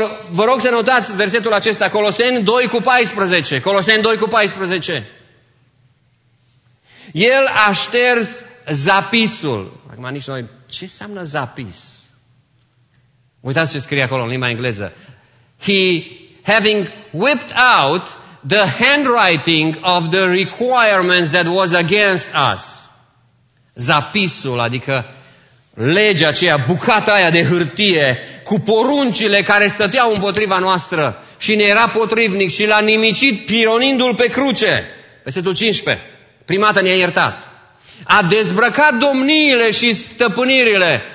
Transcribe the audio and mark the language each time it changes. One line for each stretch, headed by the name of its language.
Romanian: Vă rog să notați versetul acesta, Coloseni 2 cu 14. Coloseni 2 cu 14. El a șters zapisul. Acum nici noi, ce înseamnă zapis? Uitați ce scrie acolo în limba engleză.
English: He, having whipped out the handwriting of the requirements that was against us.
Romanian: Zapisul, adică legea aceea, bucata aia de hârtie, cu poruncile care stăteau împotriva noastră și ne era potrivnic și l-a nimicit pironindu-l pe cruce. Versetul 15. Primată ne-a iertat. A dezbrăcat domniile și stăpânirile.